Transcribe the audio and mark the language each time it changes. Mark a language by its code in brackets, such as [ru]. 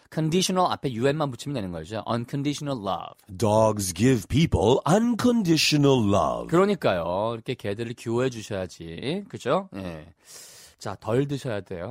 [ko] conditional 앞에 UN만 붙이면 되는 거죠. [en] unconditional love. Dogs give people unconditional love. [ko] 그러니까요. 이렇게 개들을 규호해 주셔야지. 그죠? 예. 네. 자, 덜 드셔야 돼요.